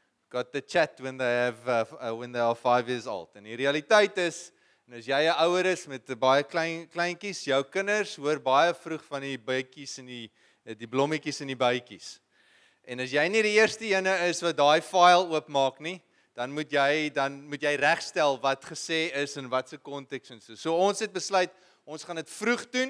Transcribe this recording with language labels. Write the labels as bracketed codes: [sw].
[en] Got the chat when they are 5 years old. [af] En die realiteit is, en as jy 'n ouer is met baie kleintjies, jou kinders hoor baie vroeg van die bytjies en die blommetjies en die bytjies. En as jy nie die eerste ene is wat daai file oopmaak nie, dan moet jy regstel wat gesê is en wat se konteks en so. So ons het besluit ons gaan dit vroeg doen.